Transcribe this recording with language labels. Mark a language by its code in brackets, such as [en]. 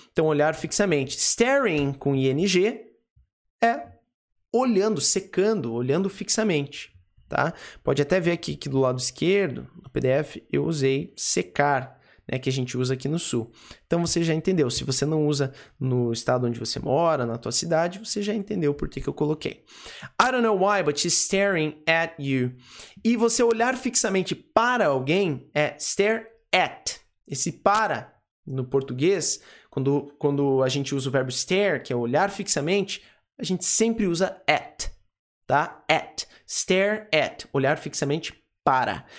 [pt] Então, olhar fixamente. Staring, com ING, é olhando, secando, olhando fixamente. Tá? Pode até ver aqui que do lado esquerdo, no PDF, eu usei secar, né, que a gente usa aqui no sul. Então, você já entendeu. Se você não usa no estado onde você mora, na tua cidade, você já entendeu por que eu coloquei. [en] I don't know why, but she's staring at you. [pt] E você olhar fixamente para alguém é stare at. Esse para, no português, quando a gente usa o verbo stare, que é olhar fixamente, a gente sempre usa at. Tá? At. Stare at. Olhar fixamente para.